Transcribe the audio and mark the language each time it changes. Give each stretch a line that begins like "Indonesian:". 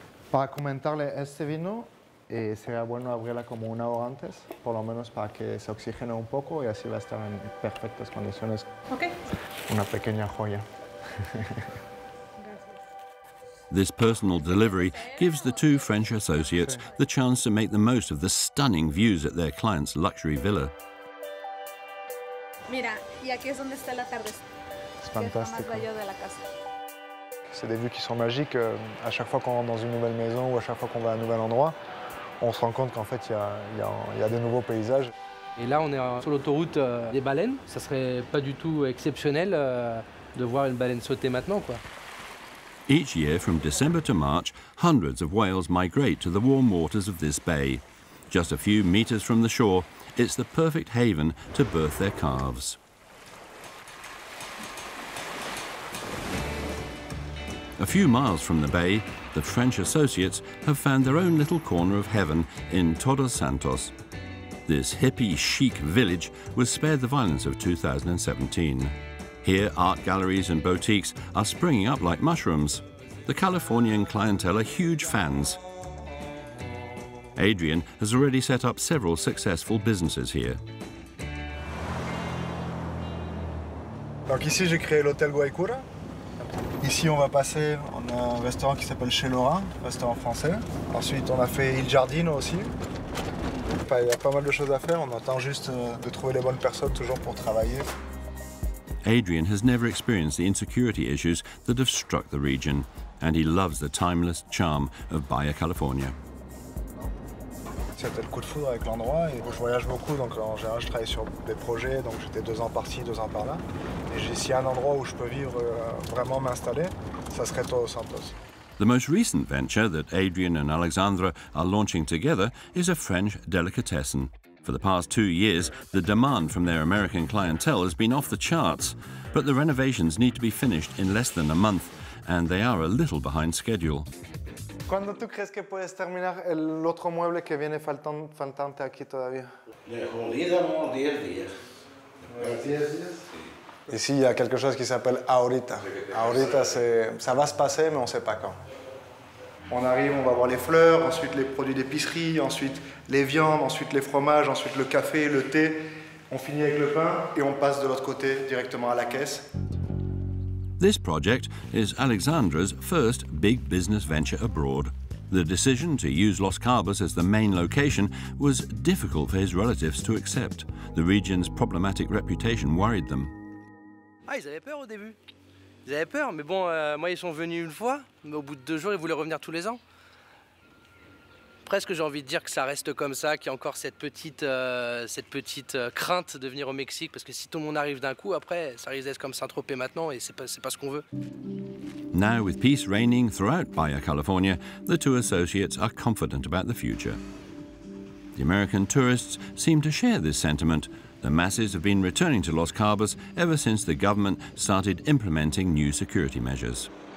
Spanish: Para comentarle, este vino sería bueno abrirla como una hora antes, por lo menos para que se oxigene un poco y así va a estar en perfectas condiciones. Ok. Una pequeña joya.
English: This personal delivery gives the two French associates the chance to make the most of the stunning views at their client's luxury villa.
Spanish: Mira, y aquí es donde está el atardecer. Es fantástico. Que es lo más bello de la casa.
French: C'est des vues qui sont magiques. À chaque fois qu'on rentre dans une nouvelle maison ou à chaque fois qu'on va à un nouvel endroit, on se rend compte qu'en fait, il y a des nouveaux paysages. Et là, on est sur l'autoroute des baleines. Ça serait pas du tout exceptionnel de voir une baleine sauter maintenant, quoi.
English: Each year, from December to March, hundreds of whales migrate to the warm waters of this bay. Just a few meters from the shore, it's the perfect haven to birth their calves. A few miles from the bay, the French associates have found their own little corner of heaven in Todos Santos. This hippie chic village was spared the violence of 2017. Here, art galleries and boutiques are springing up like mushrooms. The Californian clientele are huge fans. Adrien has already set up several successful businesses here.
French: Donc ici, j'ai créé l'hôtel Guaycura. Ici, on va passer, on a un restaurant qui s'appelle Chez Lorrain, restaurant français. Ensuite, on a fait Il Giardino aussi. Il y a pas mal de choses à faire, on attend juste de trouver les bonnes personnes toujours pour travailler.
English: Adrien has never experienced the insecurity issues that have struck the region, and he loves the timeless charm of Baja California.
French: C'était le coup de foudre avec l'endroit. Et je voyage beaucoup, donc en général, je travaille sur des projets. Donc j'étais deux ans par-ci, deux ans par-là. Et j'ai ici un endroit où je peux vivre, vraiment m'installer, ça serait Todos Santos.
English: The most recent venture that Adrien and Alexandra are launching together is a French delicatessen. For the past 2 years, the demand from their American clientele has been off the charts. But the renovations need to be finished in less than a month, and they are a little behind schedule.
Spanish: ¿Cuándo tú crees que puedes terminar el otro mueble que viene faltante aquí todavía? De jodida, no, 10 días. ¿10 días? Sí.
French: Ici, il y a quelque chose qui s'appelle ahorita. Ahorita, ça va se passer, mais on ne sait pas quand. On arrive, on va voir les fleurs, ensuite les produits d'épicerie, ensuite les viandes, ensuite les fromages, ensuite le café, le thé. On finit avec le pain et on passe de l'autre côté directement à la caisse.
English: This project is Alexandra's first big business venture abroad. The decision to use Los Cabos as the main location was difficult for his relatives to accept. The region's problematic reputation worried them.
French: Ah, ils avaient peur au début. Ils avaient peur, mais bon, moi, ils sont venus une fois, mais au bout de deux jours, ils voulaient revenir tous les ans. Presque, j'ai envie de dire que ça reste comme ça, qu'il y a encore cette petite crainte de venir au Mexique, parce que si tout le monde arrive d'un coup, après, ça risque d'être comme Saint-Tropez maintenant, et c'est pas ce qu'on veut.
English: Now, with peace reigning throughout Baja California, the two associates are confident about the future. The American tourists seem to share this sentiment. The masses have been returning to Los Cabos ever since the government started implementing new security measures.